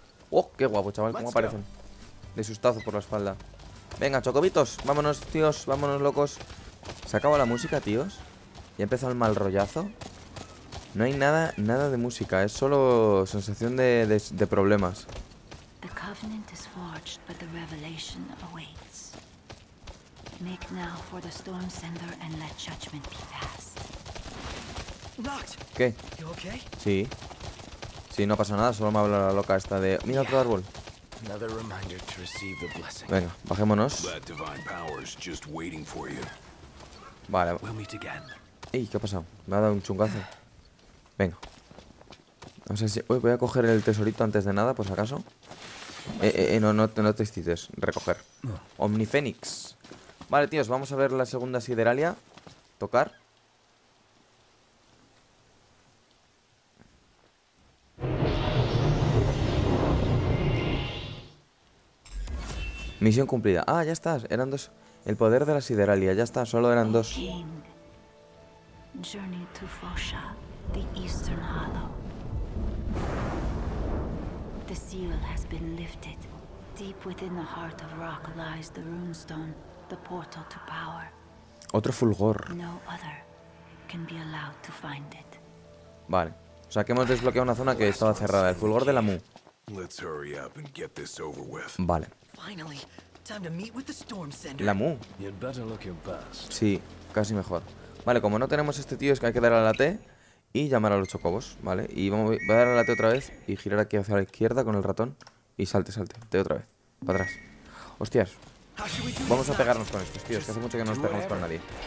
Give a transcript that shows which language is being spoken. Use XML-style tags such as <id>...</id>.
<es>¡Oh, qué guapo, chaval! ¿Cómo aparecen? De sustazo por la espalda. Venga, chocobitos, vámonos, tíos, vámonos, locos. Se acabó la música, tíos. Ya empezó el mal rollazo. No hay nada, nada de música, es solo sensación de problemas.</es> <en>The covenant is forged, but the revelation awaits. Make now for the storm sender and let judgment be passed. Locked.</en> <es>¿Qué?</es> <en>You okay?</en> <es>Sí. Sí, no pasa nada, solo me habla la loca esta de... Mira, yeah. Otro árbol.</es> <en>Another reminder to receive the blessing.</en> <es>Venga, bajémonos.</es> <en>That divine power is just waiting for you.</en> <es>Vale.</es> <en>We'll meet again.</en> <es>Ey, ¿qué ha pasado? Me ha dado un chungazo. Venga. No sé si... Uy, voy a coger el tesorito antes de nada, por si acaso. No te excites. Recoger. Omnifénix. Vale, tíos, vamos a ver la segunda sideralia. Tocar. Misión cumplida. Ah, ya está. Eran dos. El poder de la sideralia. Ya está, solo eran dos.</es> <en>Journey to Fosha, the Eastern Hollow. The seal has been lifted. Deep within the heart of rock lies the runestone, the portal to power.</en> <es>Otro fulgor.</es> <en>No other can be allowed to find it.</en> <es>Vale. O sea que hemos desbloqueado una zona que estaba cerrada. El fulgor de la Mu.</es> <en>Let's hurry up and get this over with.</en> <es>Vale.</es> <en>Finally, time to meet with the Storm Sender.</en> <es>La Mu.</es> <en>You'd better look your best.</en> <es>Sí, casi mejor. Vale, como no tenemos este tío, es que hay que dar a la T y llamar a los chocobos, ¿vale? Y vamos, voy a dar a la T otra vez y girar aquí hacia la izquierda con el ratón y salte, salte, T otra vez, para atrás. ¡Hostias! Vamos a pegarnos con estos tíos, que hace mucho que no nos pegamos con nadie.</es>